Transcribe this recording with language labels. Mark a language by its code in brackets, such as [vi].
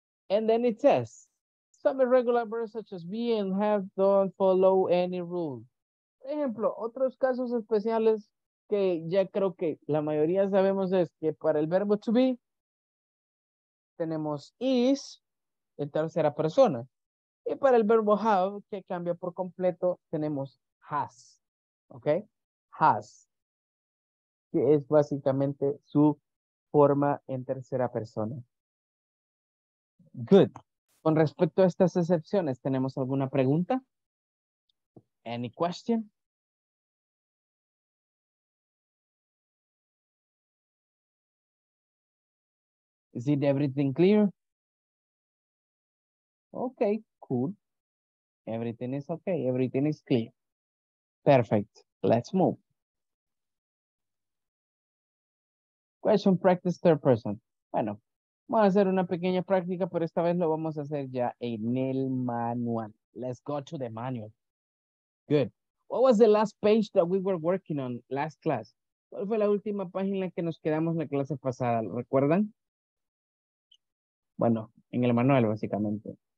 [en] And then it says, some irregular verbs such as be and have don't follow any rule. [es] Por ejemplo, otros casos especiales que ya creo que la mayoría sabemos es que para el verbo to be, tenemos is en tercera persona. Y para el verbo have, que cambia por completo, tenemos has. ¿Ok? Has. Que es básicamente su forma en tercera persona. [en] Good. [es] Con respecto a estas excepciones, ¿tenemos alguna pregunta? [en] Any question? Is it everything clear? Okay, cool. Everything is okay. Everything is clear. Perfect. Let's move. Question practice third person. [es] Bueno, vamos a hacer una pequeña práctica, pero esta vez lo vamos a hacer ya en el manual. [en] Let's go to the manual. Good. What was the last page that we were working on last class? [es] ¿Cuál fue la última página que nos quedamos en la clase pasada? ¿Recuerdan? Bueno, en el manual, básicamente.